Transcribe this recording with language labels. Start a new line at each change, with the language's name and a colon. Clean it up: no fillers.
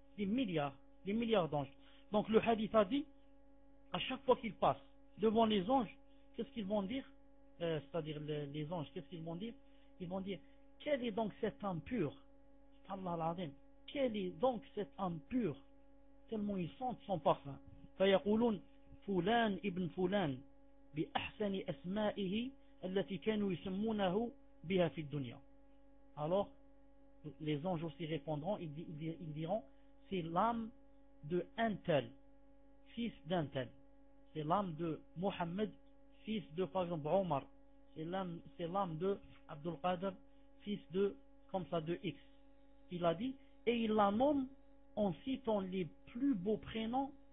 French: Des milliards d'anges. Donc le hadith a dit, à chaque fois qu'ils passent devant les anges, qu'est-ce qu'ils vont dire? C'est-à-dire les anges, qu'est-ce qu'ils vont dire? Ils vont dire, quelle est donc cette âme pure? Allah l'adim. Quelle est donc cette âme pure? Tellement ils sentent son parfum.
Arabic: Fayaqulun, Fulan ibn Fulan. بأحسن أسمائه التي كانوا يسمونه بها في الدنيا.
French: Alors les anges aussi répondront, ils diront c'est l'âme de Antel, fils d'Antel. C'est l'âme de Mohammed, fils de par exemple Omar. C'est l'âme de Abdul Qadir, fils de comme ça de X. Il a dit et il la nomme en citant les plus beaux prénoms